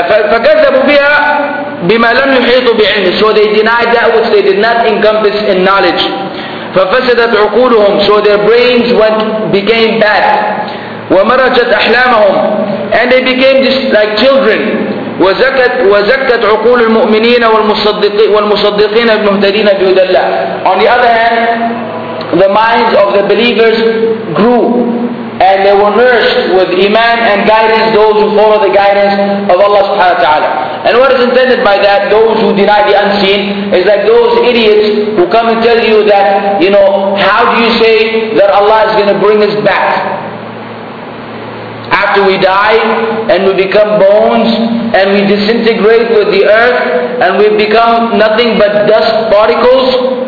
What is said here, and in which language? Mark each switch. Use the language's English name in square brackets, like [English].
[Arabic] فكذبوا بها بما لم يحيطوا بعلمه. [English] So they denied that which they did not encompass in knowledge. [Arabic] ففسدت عقولهم. [English] So their brains became bad. [Arabic] ومرجت أحلامهم. [English] And they became just like children. [Arabic] وزكت عقول المؤمنين والمصدقين المهتدين بهدى الله. [English] On the other hand, the minds of the believers grew. And they were nourished with iman and guidance, those who follow the guidance of Allah subhanahu wa ta'ala. And what is intended by that, those who deny the unseen, is like those idiots who come and tell you that, you know, how do you say that Allah is going to bring us back after we die and we become bones and we disintegrate with the earth and we become nothing but dust particles?